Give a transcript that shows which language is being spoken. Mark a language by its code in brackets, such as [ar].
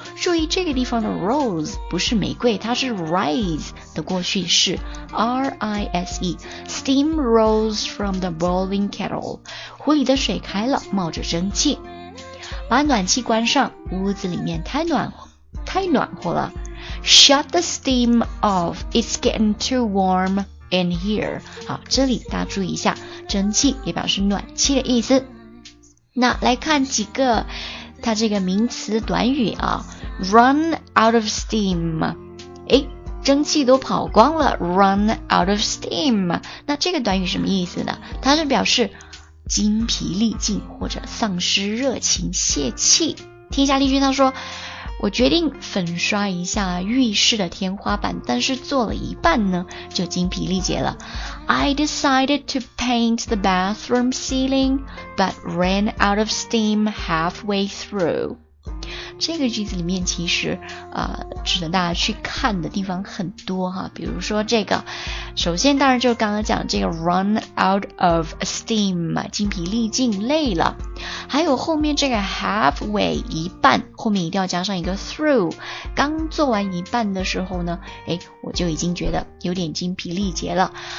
[zh] 注意这个地方的 rose 不是玫瑰，它是 rise 的过去式 ，R-I-S-E。 [en] Steam rose from the boiling kettle。壶里的水开了，冒着蒸汽。 [zh] 把暖气关上，屋子里面太暖和了。 [en] Shut the steam off, it's getting too warm in here. [zh] 好，这里大家注意一下，蒸汽也表示暖气的意思。那来看几个它这个名词短语啊 run out of steam，诶，蒸汽都跑光了， run out of steam， 那这个短语什么意思呢？它是表示精疲力尽或者丧失热情泄气。听一下例句，他说，我决定粉刷一下浴室的天花板，但是做了一半呢就精疲力竭了。 [en] I decided to paint the bathroom ceiling but ran out of steam halfway through。 [zh] 这个句子里面其实值得大家去看的地方很多哈，比如说这个，首先当然就刚刚讲这个 run out of steam，精疲力尽累了，还有后面这个 halfway 一半，后面一定要加上一个 through， 刚做完一半的时候呢，诶，我就已经觉得有点精疲力竭了。